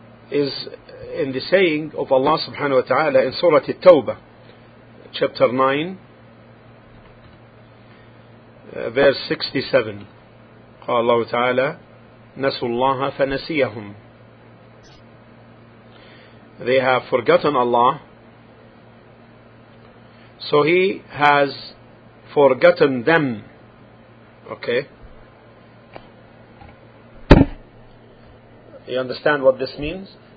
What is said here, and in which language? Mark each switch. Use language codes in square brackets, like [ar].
[en] is in the saying of Allah subhanahu wa ta'ala in Surah At-Tawbah, chapter 9, verse 67. [ar] قال الله تعالى نسوا الله فنسيهم. [en] They have forgotten Allah, so He has forgotten them. Okay? You understand what this means?